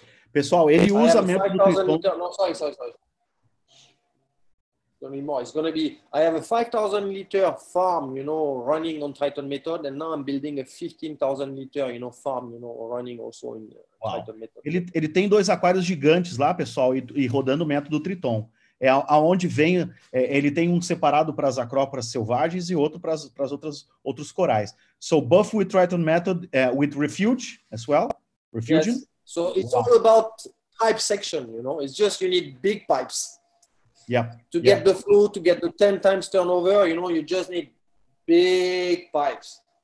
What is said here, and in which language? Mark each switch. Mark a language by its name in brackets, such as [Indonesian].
[Portuguese] Pessoal, ele usa a método Triton. [English] I have a 5,000 liter farm, you know, running on Triton method, and now I'm building a 15,000 liter, you know, farm, you know, running also in Triton method. [Portuguese] Ele tem dois aquários gigantes lá, pessoal, e rodando o método Triton. É aonde vem, ele tem um separado para as acrópolis selvagens e outro para as outros corais. [English] So buff with Triton method, with refuge as well, refuge. Yes. So it's all about pipe section, you know, it's just you need big pipes. Yeah. To get the flow, to get the 10 times turnover, you know, you just need big pipes.